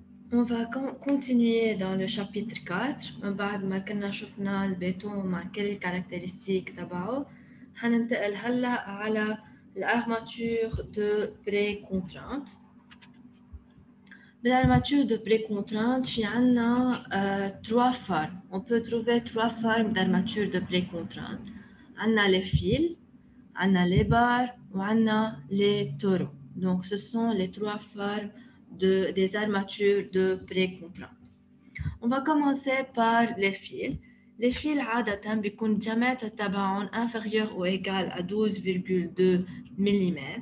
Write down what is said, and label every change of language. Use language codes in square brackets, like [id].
[fr] On va continuer dans le chapitre 4. [ar] من بعد ما كنا شفنا البيتو مع كل الكاركترستيك تبعه حننتقل هلا على الارماتور دو بري كونترانت. بالارماتور دو بري كونترانت في عندنا 3 فورم. [fr] On peut trouver [ar] 3 فورم دارماتور دو بري كونترانت. عندنا لي فيل, عندنا لي بار, وعندنا لي تورو. [fr] Donc ce sont les 3 فورم des armatures de pré-contrainte. On va commencer par les fils. Les fils ont un diamètre inférieur ou égal à 12,2 mm.